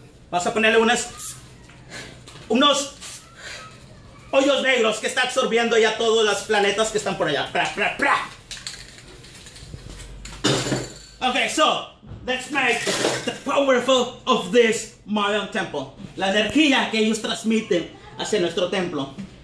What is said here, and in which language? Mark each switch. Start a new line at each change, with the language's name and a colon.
Spanish: Vas a ponerle unos hoyos negros que está absorbiendo ya todos los planetas que están por allá. Pra, pra, pra.
English: Okay, so let's make the powerful of this Mayan temple.
Spanish: La energía que ellos transmiten hacia nuestro templo.